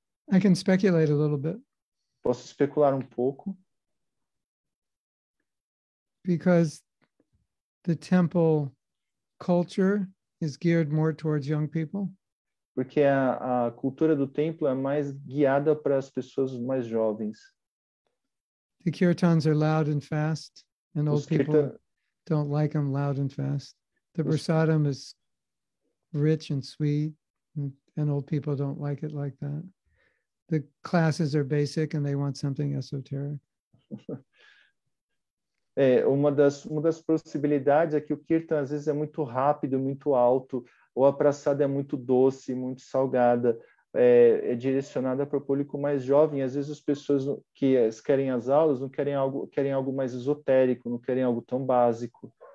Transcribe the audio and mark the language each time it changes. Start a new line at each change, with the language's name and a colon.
English: I can speculate a little bit.
Portuguese: Posso especular pouco?
English: Because the temple culture is geared more towards young people.
Portuguese: Porque a cultura do templo é mais guiada para as pessoas mais jovens.
English: The kirtans are loud and fast, and old people don't like them loud and fast. The prasadam is rich and sweet, and old people don't like it like that. The classes are basic, and they want something esoteric.
Portuguese: Uma das possibilidades é que o kirtan às vezes é muito rápido, muito alto, ou a praçada é muito doce, muito salgada, é direcionada para o público mais jovem. Às vezes as pessoas que querem as aulas não querem algo, querem algo mais esotérico, não querem algo tão básico.